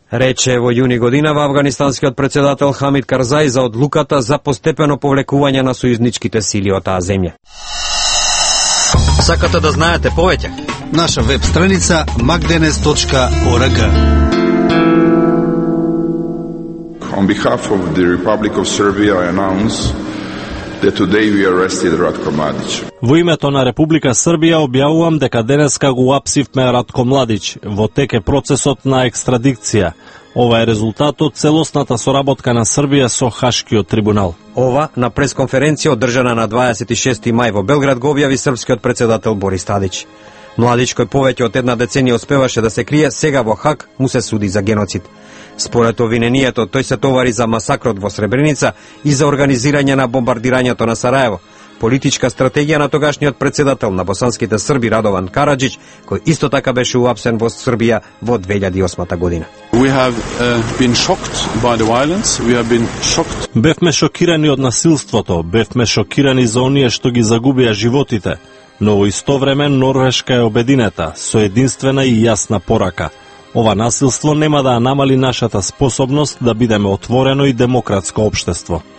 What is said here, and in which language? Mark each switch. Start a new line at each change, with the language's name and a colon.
Macedonian: Рече во јуни годинава афганистанскиот председател Хамид Карзај за одлуката за постепено повлекување на сојузничките сили од таа земја. Сакате да знаете повеќе? Наша веб страница magdenes.org.
English: On behalf of the Republic of Serbia, I announce that today we arrested Ratko Mladić.
Macedonian: Во името на Република Србија објавувам дека денеска го апсивме Ратко Младич. Во тек е процесот на екстрадикција. Ова е резултат од целосната соработка на Србија со Хашкиот трибунал. Ова, на пресконференција одржана на 26. мај во Белград, го објави српскиот председател Борис Тадич. Младич, кој повеќе од една деценија успеваше да се крие, сега во Хаг му се суди за геноцид. Според обвинението, тој се товари за масакрот во Сребреница и за организирање на бомбардирањето на Сарајево. Политичка стратегија на тогашниот председател на босанските Срби Радован Караџич, кој исто така беше уапсен во Србија во 2008 година.
English: We have been shocked by the violence. We have been shocked.
Macedonian: Бевме шокирани од насилството, бевме шокирани за оние што ги загубија животите, но во исто време Норвешка е обединета, со единствена и јасна порака. Ова насилство нема да намали нашата способност да бидеме отворено и демократско општество.